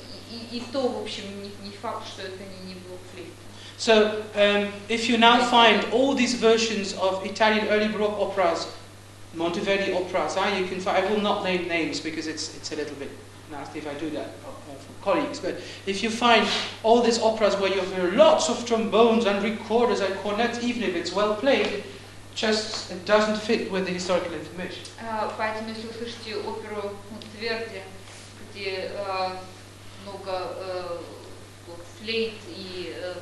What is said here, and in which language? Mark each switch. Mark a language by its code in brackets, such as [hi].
[ru] И то, в общем, не факт, что это не было флейта. [en] So, if you now find all these versions of Italian early Baroque operas, Monteverdi operas, you can find, I will not name names because it's a little bit nasty if I do that, for colleagues, but if you find all these operas where you hear lots of trombones and recorders and cornets, even if it's well played, just it doesn't fit with the historical information. [ru] Поэтому, если вы слышите оперу Монтеверди, где много флейт и